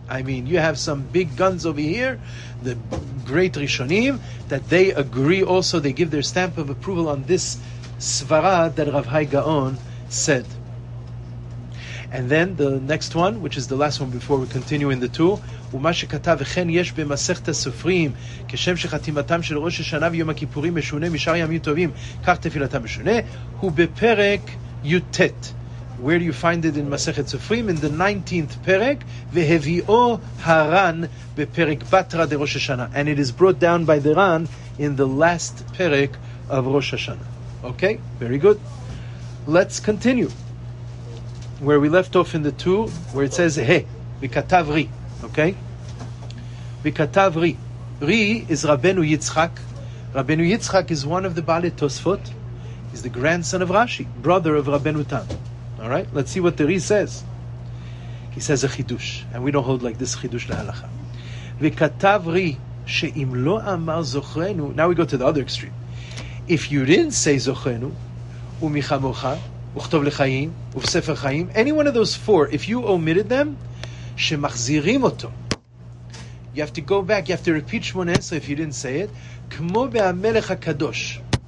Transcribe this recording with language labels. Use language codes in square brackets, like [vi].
[en] I mean, you have some big guns over here, the great Rishonim, that they agree also, they give their stamp of approval on this svara that Rav Haigaon said. And then the next one, which is the last one before we continue in the two. [he] ומה שכתב וכן יש במסכת הסופרים כשם שחתימתם של ראש השנה ויום הכיפורים משונה משאר ימים טובים כך תפילתם משונה הוא בפרק יוטט. [en] Where do you find it in מסכת סופרים? In the 19th [he] פרק והביאו הרן בפרק בתרא דראש השנה. [en] And it is brought down by the רן in the last פרק of ראש השנה. Okay, very good. Let's continue. Where we left off in the two, where it says, hey, [he] וכתב רי. [en] Okay? וכתב רי. רי is Rabbeinu Yitzchak. Rabbeinu Yitzchak is one of the Baalei Tosfot. He's the grandson of Rashi, brother of Rabbeinu Tam. All right? Let's see what the Ri says. He says a chidush. And we don't hold like this chidush lehalacha. [he] וכתב רי שאם לא אמר זוכרנו. [en] Now we go to the other extreme. If you didn't say זוכרנו, [he] ומחמוך, וכתוב לחיים, ובספר חיים, [en] any one of those four, if you omitted them, [he] שמחזירים אותו. [en] You have to go back, you have to repeat 18 if you didn't say it, [he] כמו בהמלך הקדוש.